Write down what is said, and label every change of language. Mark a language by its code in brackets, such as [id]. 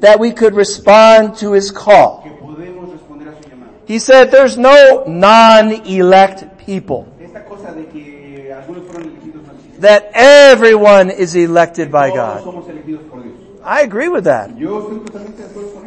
[en] that we could respond to his call. [es] Que podemos responder a su llamada. [en] He said, there's no non-elect people. [es] Esta cosa de que algunos fueron elegidos por Dios. [en] That everyone is elected by God. [es] Somos elegidos por Dios. [en] I agree with that. [es] Yo estoy totalmente de acuerdo con